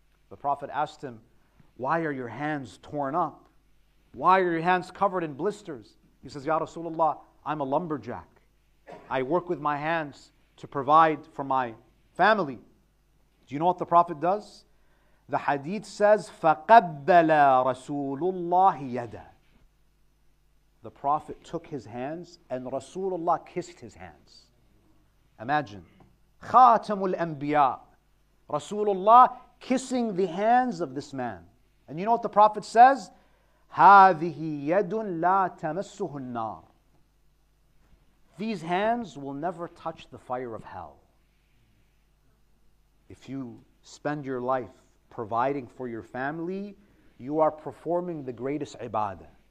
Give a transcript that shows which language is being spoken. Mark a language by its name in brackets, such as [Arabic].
[English] The Prophet asked him, "Why are your hands torn up? Why are your hands covered in blisters?" He says, "Ya Rasulullah, I'm a lumberjack. I work with my hands to provide for my family." Do you know what the Prophet does? The hadith says, [Arabic] فَقَبَّلَ رَسُولُ اللَّهِ يَدَى. [English] The Prophet took his hands and Rasulullah kissed his hands. Imagine, [Arabic] خَاتَمُ الْأَنْبِيَاء. [English] Rasulullah kissing the hands of this man. And you know what the Prophet says? [Arabic] هَذِهِ يَدٌ لَا تَمَسُّهُ النَّارِ. [English] These hands will never touch the fire of hell. If you spend your life providing for your family, you are performing the greatest ibadah.